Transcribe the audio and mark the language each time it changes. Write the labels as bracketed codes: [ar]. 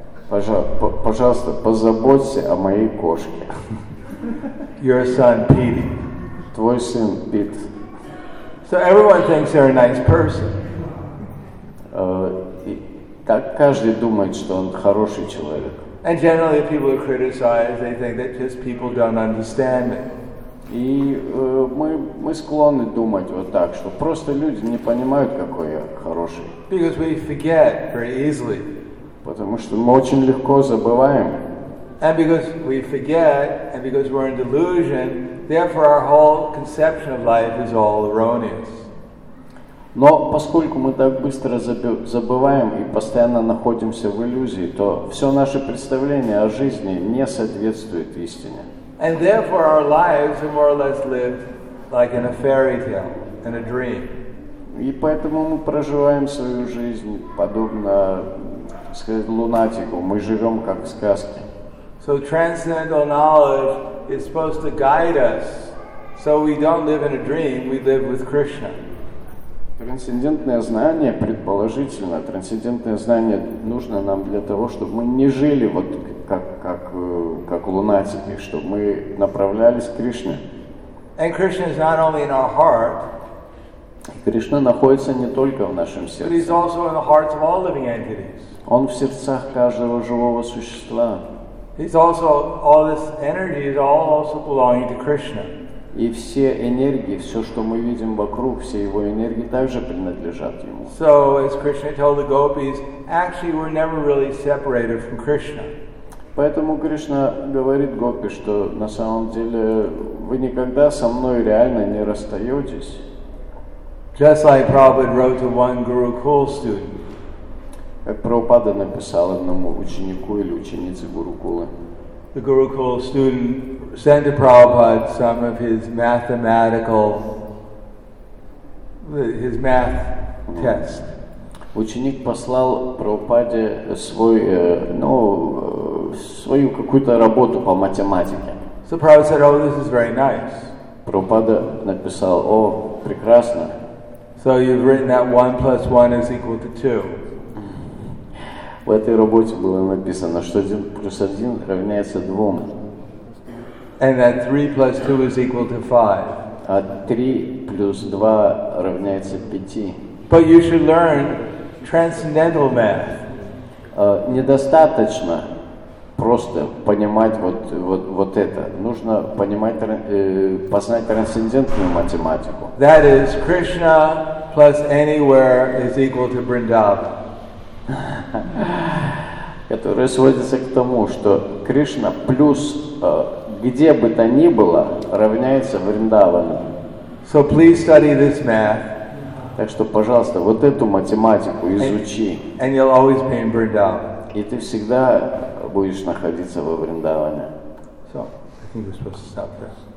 [ru] Пожалуйста, позаботься о моей кошке. [en] Your son, Pete. [ru] Твой сын, Пит. [en] So everyone thinks they're a nice person. [ru] Так каждый думает, что он хороший человек. [en] And generally people who criticize, they think that just people don't understand it. [ru] И мы склонны думать вот так, что просто люди не понимают, какой я хороший. [en] Because we forget very easily. [ru] Потому что мы очень легко забываем. [en] And because we forget, and because we're in delusion, therefore our whole conception of life is all erroneous. [ru] Но поскольку мы так быстро забываем и постоянно находимся в иллюзии, то все наше представление о жизни не соответствует истине. [en] And therefore our lives are more or less lived like in a fairy tale, in a dream. [ru] И поэтому мы проживаем свою жизнь подобно, сказать, лунатику. Мы живем как в сказке. [en] So transcendental knowledge is supposed to guide us so we don't live in a dream, we live with Krishna. [ru] Трансцендентное знание, предположительно, трансцендентное знание нужно нам для того, чтобы мы не жили вот как лунатики, чтобы мы направлялись к Кришне. [en] And Krishna is not only in our heart, [ru] Кришна находится не только в нашем сердце, [en] but he's also in the hearts of all living entities. [ru] Он в сердцах каждого живого существа. [en] He's also, all this energy is all also belonging to Krishna. [ru] И все энергии, все, что мы видим вокруг, все его энергии также принадлежат ему. [en] So, as Krishna told the gopis, actually we're never really separated from Krishna. [ru] Поэтому Кришна говорит гопи, что на самом деле вы никогда со мной реально не расстаетесь. [en] Just like Prabhupada wrote to one Gurukul student. [ru] Как Прабхупада написал одному ученику или ученице Гурукулы. [en] The Gurukul student sent to Prabhupada some of his mathematical, his math test. [ru] Ученик послал Прабхупаде свою какую-то работу по математике. [en] So Prabhupada said, oh, this is very nice. [ru] Прабхупада написал, о, прекрасно. [en] So you've written that 1 + 1 = 2. [ru] В этой работе было написано, что 1 + 1 = 2. [en] And that 3 + 2 = 5. [ru] А 3 + 2 = 5. [en] But you should learn transcendental math. [ru] Недостаточно просто понимать вот это. Нужно познать трансцендентную математику. [en] That is Krishna plus anywhere is equal to Vrindavan. [ru] Которая сводится к тому, что Кришна плюс где бы то ни было равняется Вриндавану. [en] So please study this math. [ru] Так что, пожалуйста, вот эту математику изучи. [en] And you'll always be in Vrindavan. [ru] И ты всегда будешь находиться во Вриндаване. [en] So, I think we're supposed to stop there.